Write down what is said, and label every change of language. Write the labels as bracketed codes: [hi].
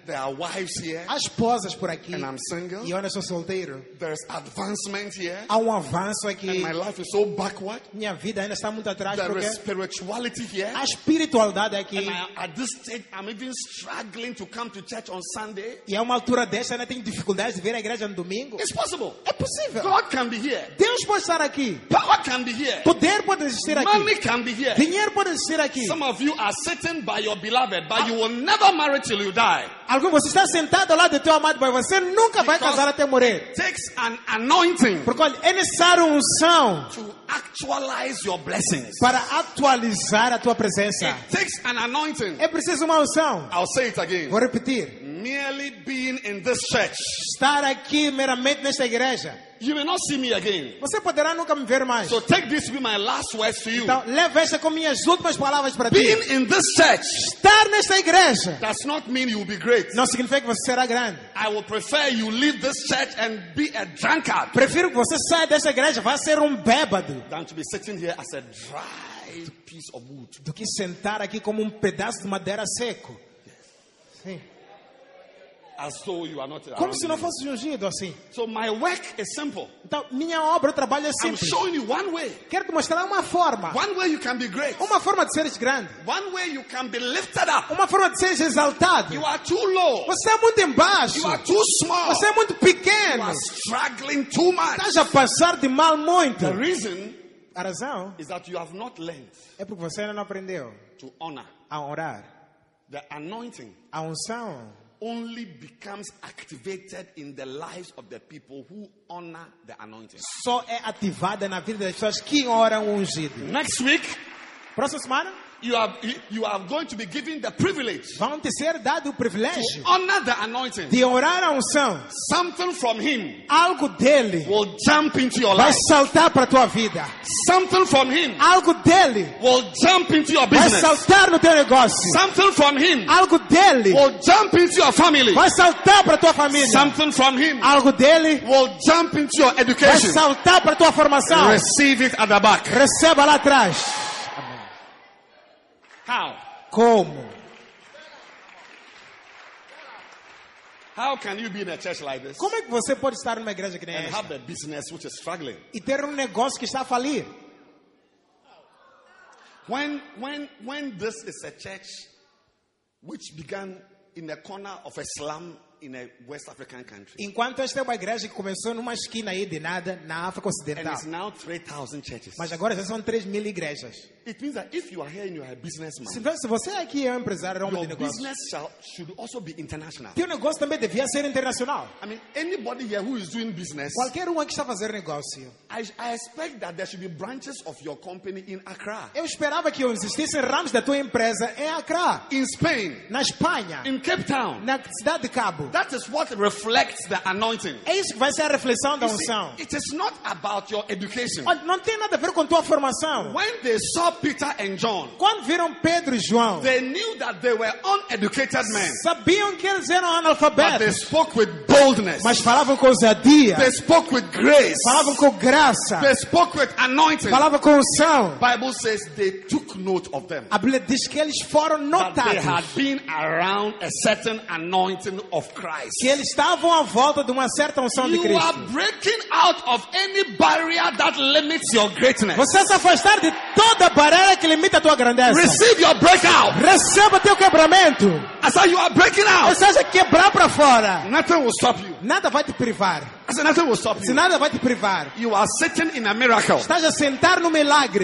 [en] There are wives here. [pt] Há esposas por aqui. [en] And I'm single. [pt] E eu ainda sou solteiro. [en] There's advancement here. [pt] Há avanço aqui. [en] And my life is so backward. [pt] Minha vida ainda está muito atrás. [en] There is spirituality here. [pt] Há espiritualidade aqui. [en] And at this stage, I'm even struggling to come to church on Sunday. [pt] E a uma altura desta ainda tenho dificuldades de vir à igreja no domingo. [en] It's possible. [pt] É possível. [en] God can be here. [pt] Deus pode estar aqui. [en] Power can be here. [pt] Poder pode existir aqui. [en] Money can be here. [pt] Dinheiro. Pode ser aqui. [en] Some of you are sitting by your beloved, but you will never marry till you die. [pt] Alguém você está sentado ao lado do teu amado, mas você nunca [en] because [pt] vai casar até morrer. [en] It takes an anointing. [pt] Porque é necessário unção [en] to actualize your blessings. [pt] Para atualizar a tua presença. [en] It takes an anointing. [pt] É preciso uma unção. [en] I'll say it again. [pt] Vou repetir. [en] Merely being in this church. [pt] Estar aqui meramente nesta igreja. [en] You may not see me again. [pt] Você poderá nunca me ver mais. [en] So take this to be my last words to you. [pt] Então, leve essa como minhas últimas palavras para ti. [en] Being in this church. [pt] Estar nesta igreja. [en] Does not mean you will be great. [pt] Não significa que você será grande. [en] I will prefer you leave this church and be a drunkard. [pt] Prefiro que você saia desta igreja e vá ser bêbado. [en] Than to be sitting here as a dry piece of wood. [pt] Do que sentar aqui como pedaço de madeira seco. [en] Yes. [pt] Sim. [en] As though you are not [pt] como se não fosse ungido assim. [en] So my work is simple. [pt] Então minha obra, trabalho é simples. [en] I'm showing you one way. [pt] Quero te mostrar uma forma. [en] One way you can be great. [pt] Uma forma de seres grande. [en] One way you can be lifted up. [pt] Uma forma de seres exaltado. [en] You are too low. [pt] Você é muito embaixo. [en] You are too small. [pt] Você é muito pequeno. [en] You are struggling too much. [pt] Estás a passar de mal muito. [en] The reason, [pt] a razão, [en] is that you have not learned. [pt] É porque você ainda não aprendeu. [en] To honor. [pt] A honrar. [en] The anointing. [pt] A unção. [en] Only becomes activated in the lives of the people who honor the anointing. [pt] Só é ativada na vida das pessoas que honram o ungido. [en] Next week, [pt] próxima semana, [en] you are going to be given the privilege. [pt] Vão te ser dado o privilégio. [en] To honor the anointing. [pt] De honrar a unção. [en] Something from him. [pt] Algo dele. [en] Will jump into your life. [pt] Vai saltar para tua vida. [en] Something from him. [pt] Algo dele. [en] Will jump into your business. [pt] Vai saltar no teu negócio. [en] Something from him. [pt] Algo dele. [en] Will jump into your family. [pt] Vai saltar para tua família. [en] Something from him. [pt] Algo dele. [en] Will jump into your education. [pt] Vai saltar para tua formação. [en] Receive it at the back. [pt] Receba lá atrás. [en] How? [pt] Como? [en] How can you be in a church like this? [pt] Como é que você pode estar numa igreja que nem [en] and [pt] esta? [en] Have a business which is struggling? [pt] E ter negócio que está a falir? [en] When this is a church which began in the corner of a slum in a West African country. [pt] Enquanto esta é uma igreja que começou numa esquina aí de nada na África Ocidental. [en] And it's now 3,000 churches. [pt] Mas agora já são 3,000 igrejas. [en] It means that if you are here and you are a businessman, [pt] se você aqui é empresário, [en] your [pt] de negócio, [en] business should also be international. [pt] Teu negócio também devia ser internacional. [en] I mean, anybody here who is doing business, [pt] qualquer aqui está a fazer negócio, [en] I expect that there should be branches of your company in Accra. [pt] Eu esperava que existissem ramos da tua empresa em Accra. [en] In Spain, [pt] na Espanha. [en] In Cape Town, [pt] na cidade de Cabo. [en] That is what reflects the anointing. [pt] É isso que vai ser a reflexão da unção. [en] It is not about your education. [pt] Não tem nada a ver com tua formação. [en] When they saw Peter and John, [pt] quando viram Pedro e João, [en] they knew that they were uneducated men. [pt] Sabiam que eles eram analfabetos. [en] But they spoke with boldness. [pt] Mas falavam com ousadia. [en] They spoke with grace. [pt] Falavam com graça. [en] They spoke with anointing. [pt] Falavam com unção. [en] Bible says they took note of them. [pt] A Bíblia diz que eles foram notados. [en] They had been around a certain anointing of Christ. [pt] Que eles estavam à volta de uma certa unção de Cristo. [en] You are breaking out of any barrier that limits your greatness. [pt] Você está afastar de toda barreira que limita a tua grandeza. [en] Receive your breakout. [pt] Receba teu quebramento. [en] I said you are breaking out. [pt] Você está quebrar para fora. [en] Nothing will stop you. [pt] Nada vai te privar. [en] Nothing will stop you. [pt] Se nada vai te privar. [en] You are sitting in a miracle. [pt] Estás a sentar no milagre.